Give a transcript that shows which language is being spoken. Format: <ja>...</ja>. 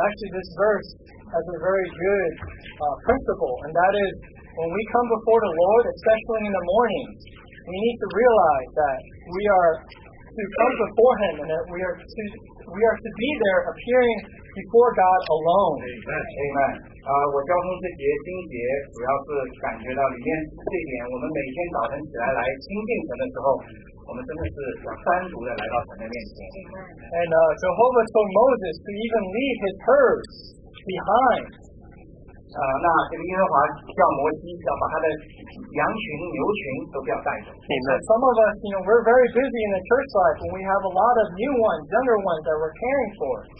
<en>Actually, this verse has a very good principle, and that is, when we come before the Lord, especially in the morning, we need to realize that we are to come before Him, and that we are to be there, appearing before God alone. Amen.</en> <zh>我交通这节经节主要是感觉到里面这点，我们每天早晨起来来亲近神的时候。</zh> <en>And Jehovah told Moses to even leave his herds behind.</en> <zh>那这个耶和华叫摩西要把他的羊群、牛群都不要带走。</zh> <en>Some of us, you know, we're very busy in the church life, and we have a lot of new ones, younger ones that we're caring for.</en>